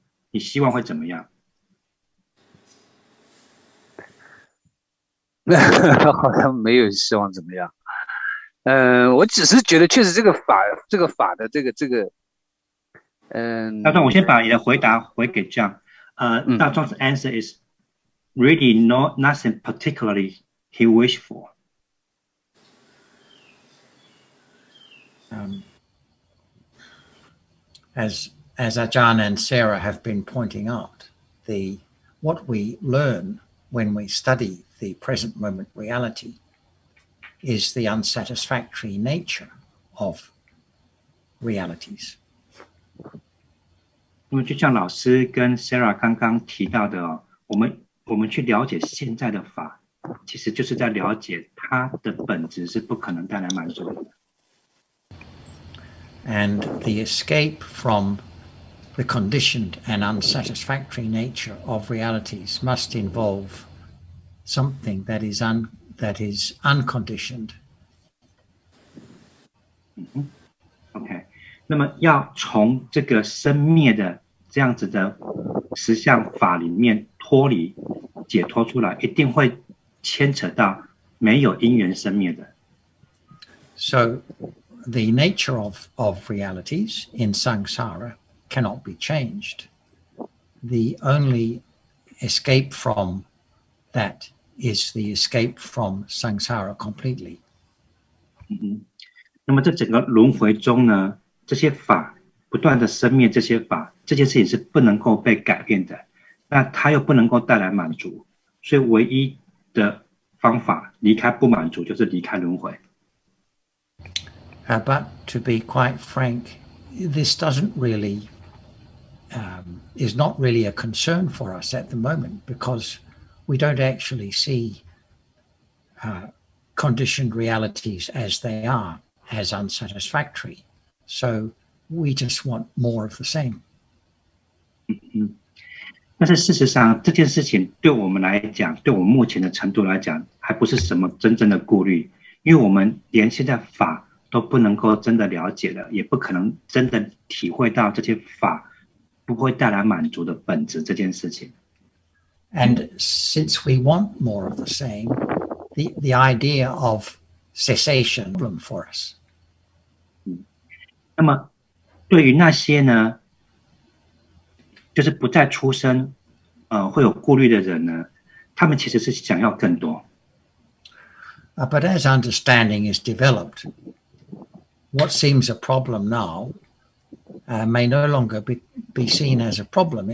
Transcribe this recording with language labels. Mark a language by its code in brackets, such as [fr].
[zh] 你希望会怎么样？好像没有希望怎么样。我只是觉得确实这个法的这个大壮，我先把你的回答回给这样。 [en] 大壮的 answer is really nothing particularly he wish for. As Ajahn and Sarah have been pointing out, what we learn when we study the present moment reality is the unsatisfactory nature of realities. [zh] 那么就像老师跟 Sarah 刚刚提到的，我们去了解现在的法，其实就是在了解它的本质是不可能带来满足的。 [en] And the escape from the conditioned and unsatisfactory nature of realities must involve something that is unconditioned. Okay. [zh] 那么要从这个生灭的这样子的实相法里面脱离解脱出来，一定会牵扯到没有因缘生灭的。 [en] So the nature of realities in samsara cannot be changed. The only escape from that is the escape from samsara completely. [zh] 那么在整个轮回中呢，这些法不断的生灭，这些法这件事情是不能够被改变的，那它又不能够带来满足，所以唯一的方法离开不满足就是离开轮回。 [en] But to be quite frank, this doesn't reallyis not really a concern for us at the moment because we don't actually see conditioned realities as they are, as unsatisfactory. So we just want more of the same. [zh] 但是事实上，这件事情对我们来讲，对我们目前的程度来讲，还不是什么真正的顾虑，因为我们连现在法都不能够真的了解了，也不可能真的体会到这些法不会带来满足的本质这件事情。 [en] And since we want more of the same, the idea of cessation is a problem for us. [zh] 那么对于那些呢，就是不再出生，会有顾虑的人呢，他们其实是想要更多。 [en] But as understanding is developed, what seems a problem now, may no longer be seen as a problem.